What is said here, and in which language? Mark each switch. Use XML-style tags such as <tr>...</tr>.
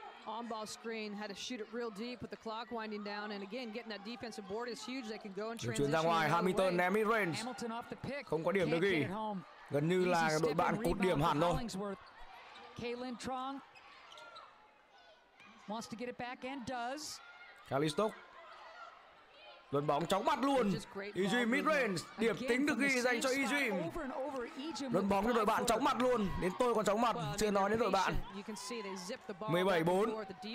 <en>On ball screen, had to shoot it real deep with the clock winding down, and again getting that defensive board is huge. They can go and transition.</en> <vi>Chuyển ra ngoài, Hamilton ném mid range.</vi> <en>Hamilton off the pick.</en> <vi>Không có điểm được ghi. Gần như là đội bạn cụt điểm hẳn thôi.</vi> <en>Kaylin Trong wants to get it back and does.</en> <vi>Kalistok luân bóng chóng mặt luôn. Yijim mid range điểm tính được ghi dành cho Yijim. Luân bóng cho đội bạn chóng mặt luôn. Đến tôi còn chóng mặt, chưa nói đến đội bạn. 17-4.</vi>